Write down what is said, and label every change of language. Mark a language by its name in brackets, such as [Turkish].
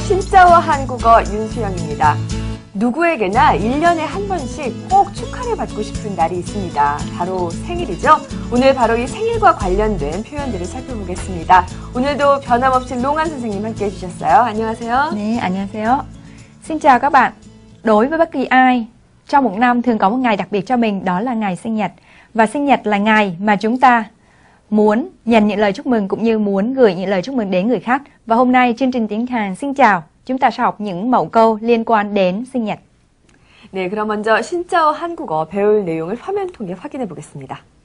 [Korean] 진짜와 한국어 윤수영입니다. 누구에게나 1년에 한 번씩 꼭 축하를 받고 싶은 날이 있습니다. 바로 생일이죠. 오늘 바로 이 생일과 관련된 표현들을 살펴보겠습니다. 오늘도 변함없이 롱한 선생님 함께 해주셨어요. 안녕하세요. 네, 안녕하세요. [Vietnamese] Xin chào các bạn. Đối với bất kỳ ai, trong một năm thường có một ngày đặc biệt cho mình, đó là ngày sinh nhật. Và sinh nhật là ngày mà chúng ta muốn nhận những lời chúc mừng cũng như muốn gửi những lời chúc mừng đến người khác. Và hôm nay chương trình tiếng Hàn xin chào, chúng ta sẽ học những mẫu câu liên quan đến sinh nhật. [Korean] 네, 그럼 먼저 진짜와 한국어 배울 내용을 화면 통해 확인해 보겠습니다.